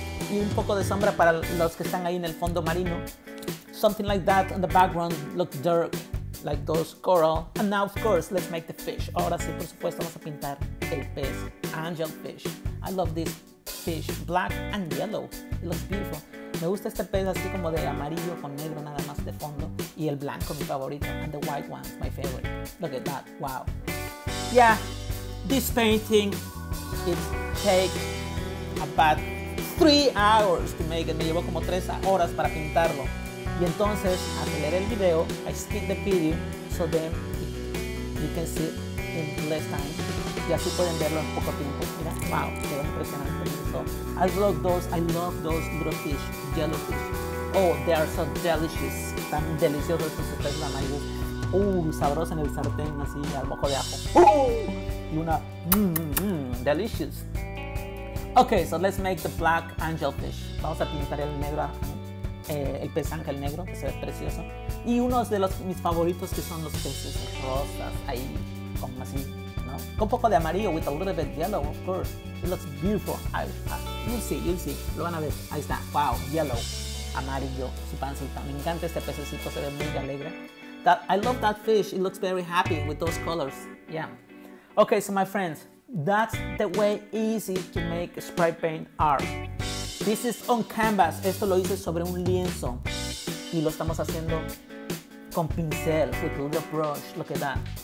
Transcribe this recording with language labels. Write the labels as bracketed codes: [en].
[es] Y un poco de sombra para los que están ahí en el fondo marino. [en] Something like that on the background look dark, like those coral. And now, of course, let's make the fish. [es] Ahora sí, por supuesto, vamos a pintar el pez, angel fish. [en] I love this fish, black and yellow. It looks beautiful. [es] Me gusta este pez así como de amarillo con negro nada más de fondo. Y el blanco, mi favorito. [en] And the white one, my favorite. Look at that, wow. Yeah, this painting, it takes about 3 hours to make it. [es] Me llevó como 3 horas para pintarlo. Y entonces, aceleré el video, [en] I skip the video, so then you can see it in less time. [es] Y así pueden verlo en poco tiempo. Mira, wow, quedó impresionante. [en] So, I love those little fish, yellow fish. Oh, they are so delicious. [es] Tan deliciosos estos peces de amarillo. Sabrosos en el sartén, así, al mojo de ajo. Y una, delicious. [en] Okay, so let's make the black angel fish. [es] Vamos a pintar el negro. El pez ángel negro, que se ve precioso. Y uno de los, mis favoritos que son los peces rosas, ahí, como así, ¿no? Con un poco de amarillo, [en] with a little bit yellow, of course. It looks beautiful. You'll see. [es] Lo van a ver. Ahí está. Wow, yellow, amarillo, su pancita. Me encanta este pececito, se ve muy alegre. [en] That, I love that fish. It looks very happy with those colors. Yeah. Okay, so my friends, that's the way easy to make spray paint art. This is on canvas. [es] Esto lo hice sobre un lienzo. Y lo estamos haciendo con pincel, [en] with a little brush. Look at that.